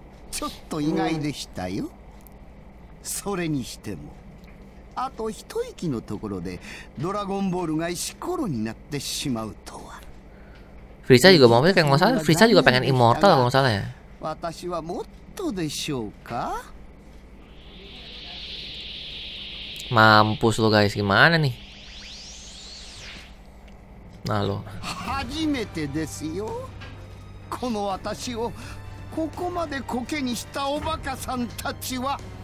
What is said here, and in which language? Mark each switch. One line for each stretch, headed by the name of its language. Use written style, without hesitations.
Japanese: ちょっと意外でしたよ。それにしても あと一息のところでドラゴンボールが石ころになってしまうとは.
Indonesian: Frieza juga mau, kayak nggak salah. Frieza juga pengen immortal kalau nggak salah ya.
Japanese: 私はもっとでしょうか.
Indonesian: Mampus lo guys, gimana nih? Nah lo.
Japanese: 初めてですよ。この私を ここまでコケにしたおバカさんたちは.